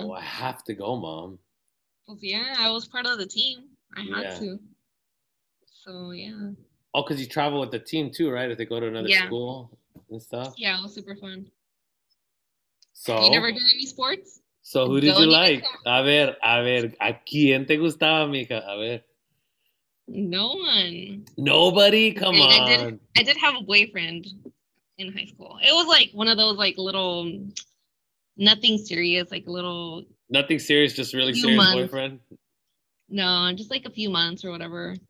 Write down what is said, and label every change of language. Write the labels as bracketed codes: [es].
[en] Oh, I have to go, Mom. Well, yeah, I was part of the team. I had to. So, yeah. Oh, because you travel with the team too, right? If they go to another school and stuff? Yeah, it was super fun. So? You never did any sports? So who did you like? [es] A ver, ¿a quién te gustaba, mija? A ver. [en] No one. Nobody? Come on. I did have a boyfriend in high school. It was like one of those like little, nothing serious, like a little. Nothing serious, just really serious months. Boyfriend? No, just like a few months or whatever.